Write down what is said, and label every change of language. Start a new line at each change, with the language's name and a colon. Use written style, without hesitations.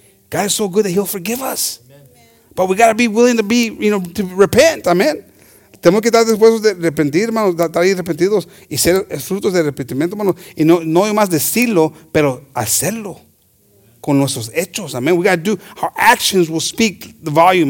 English: God is so good that he'll forgive us. But we got to be willing to be, you know, to repent. Amen.
Spanish: Tenemos que estar dispuestos de arrepentir, hermanos, estar arrepentidos y ser frutos de arrepentimiento, hermanos. Y no hay más decirlo, pero hacerlo con nuestros hechos. Amen.
English: We got to do, our actions will speak the volume.